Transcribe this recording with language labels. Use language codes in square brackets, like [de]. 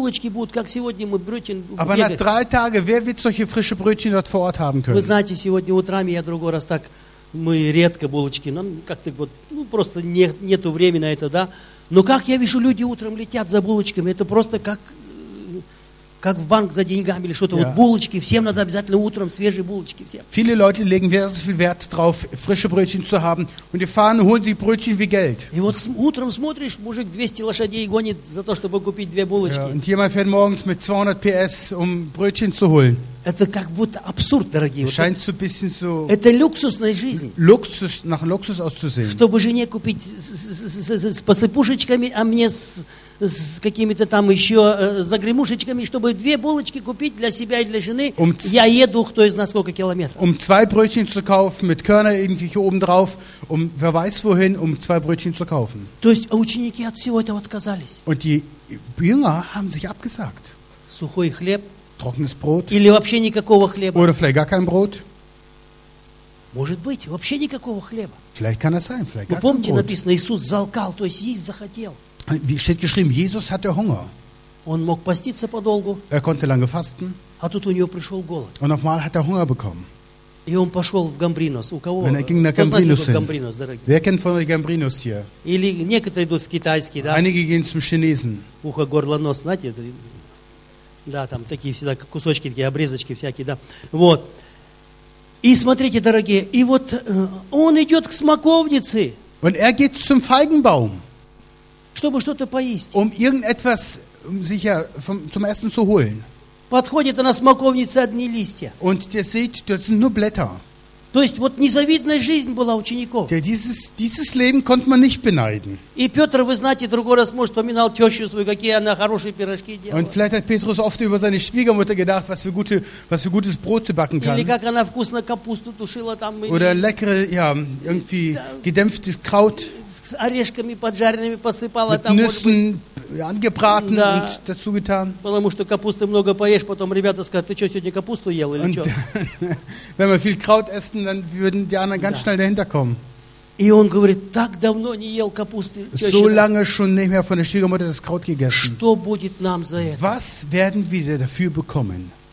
[de] Aber nach drei Tagen, wer wird solche frische Brötchen dort vor Ort haben können? [ru] Вы знаете, сегодня утром я другой раз так, мы редко булочки, нам как-то вот, ну просто нету времени на это, да. Но как я вижу, люди утром летят за булочками, это просто как в банк за деньгами или что-то. [en] Yeah. [ru] Вот булочки, всем надо обязательно утром свежие булочки всем. [de] Viele Leute legen sehr viel Wert drauf, frische Brötchen zu haben und die fahren, holen sich Brötchen wie Geld. [ru] И вот утром смотришь, мужик 200 лошадей гонит за то, чтобы купить две булочки. [en] Yeah. [de] Und jemand fährt morgens mit 200 PS, um Brötchen zu holen. [ru] Это как будто абсурд, дорогие. Вот [de] scheint so ein bisschen so. [ru] Это люксусная жизнь. [de] Luxus, nach Luxus auszusehen. [ru] Чтобы жене купить с посыпушечками, а мне с какими-то там еще загремушечками, чтобы две булочки купить для себя и для жены, я еду, кто из нас сколько километров. [de] Zwei Brötchen zu kaufen mit Körner irgendwie oben drauf, wer weiß wohin, zwei Brötchen zu kaufen. [ru] То есть ученики от всего этого отказались. [de] Und die Jünger haben sich abgesagt. [ru] Сухой хлеб. [de] Trockenes Brot. [ru] Или вообще никакого хлеба. [de] Oder vielleicht gar kein Brot. [ru] Может быть, вообще никакого хлеба. [de] Vielleicht kann es sein, vielleicht gar kein Brot. [ru] Вы помните, написано, Иисус залкал, то есть есть захотел. [de] Wie steht geschrieben, Jesus hatte Hunger. [ru] Он мог поститься подолгу. [de] Er konnte lange fasten. [ru] А тут у него пришел голод. [de] Und auf einmal hat er Hunger bekommen. [ru] И он пошел в Гамбринос. У кого? [de] Wenn er ging nach Gambrinus hin. [ru] Gambrinus, дорогие? [de] Wer kennt von der Gambrinus hier? [ru] Или некоторые идут в китайский, да? [de] Einige gehen zum Chinesen. [ru] Ухо, горло, нос, знаете, да, там такие всегда кусочки, такие обрезочки всякие, да. Вот. И смотрите, дорогие, и вот он идет к смоковнице. [de] Und er geht zum Feigenbaum. [ru] Чтобы что-то поесть. [de] Um irgendetwas sicher zum Essen zu holen. [ru] Подходит она смоковнице одни листья. [de] Und der sieht, das sind nur Blätter. [ru] То есть вот незавидная жизнь была учеников. [de] Ja, dieses Leben konnte man nicht beneiden. [ru] И Петр, вы знаете, другой раз может вспоминал тещу свою, какие она хорошие пирожки делала. [de] Und vielleicht hat Petrus oft über seine Schwiegermutter gedacht, was für gutes Brot sie backen kann. [ru] Или как она вкусно капусту тушила там. [de] Oder leckere, ja, irgendwie gedämpftes Kraut. [ru] С орешками поджаренными посыпала там. [de] Nüssen angebraten und dazu getan. [ru] Потому что капусты много поешь, потом ребята скажут, ты что сегодня капусту ел или что? [de] Wenn man viel Kraut essen, dann würden die anderen ganz schnell dahinter kommen. So lange schon nicht mehr von der Schwiegermutter das Kraut gegessen. Was werden wir dafür bekommen?